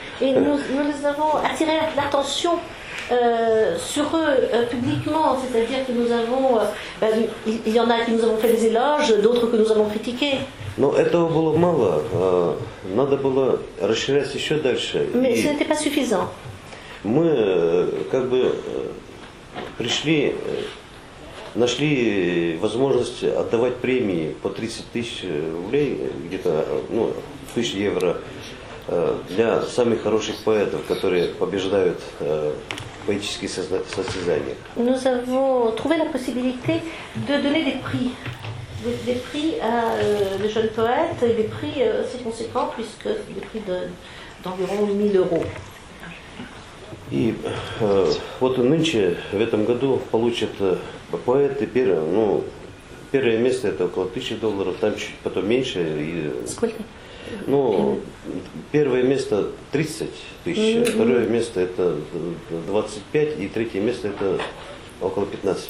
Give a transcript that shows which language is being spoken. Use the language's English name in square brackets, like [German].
[French] Et nous avons attiré l'attention sur eux publiquement, c'est-à-dire que nous avons, il y en a qui nous avons fait des éloges, d'autres que nous avons critiqués. [Russian] Но этого было мало. Надо было расширять еще дальше. [French] Mais ce n'était pas suffisant. [Russian] Мы как бы пришли, нашли возможность отдавать премии по 30 тысяч рублей, где-то, ну, тысяч евро, для самых хороших поэтов, которые побеждают поэтические состязания. [French] Nous avons trouvé la possibilité de donner des prix. Des prix à des jeunes poètes et des prix assez conséquents puisque des prix d'environ 1000 euros. [Russian] И вот нынче в этом году получат поэты первое, ну первое место это около 1000 долларов, там чуть потом меньше. Сколько? Ну первое место 30 тысяч, второе место это 25 и третье место это около 15.